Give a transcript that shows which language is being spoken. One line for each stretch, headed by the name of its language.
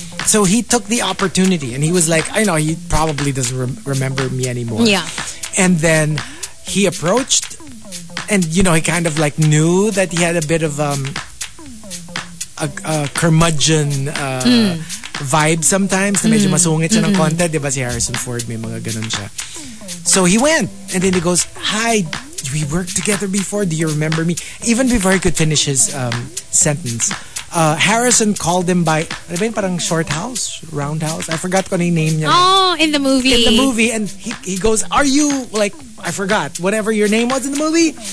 English: So he took the opportunity and he was like, I know he probably doesn't remember me anymore. Yeah. And then he approached and, you know, he kind of like knew that he had a bit of a curmudgeon vibe sometimes.
Filipino: Medyo masungit siya ng konti, diba si Harrison Ford, may mga ganun siya.
English: So he went and then he goes, hi, we worked together before. Do you remember me? Even before he could finish his sentence, Harrison called him by,
Filipino: ano ba yun, parang
English: short house, round house. I forgot
Filipino: kung yung name niya.
English: Oh, in the movie. In the movie. And he goes, are you, like, I forgot, whatever your name was in the movie.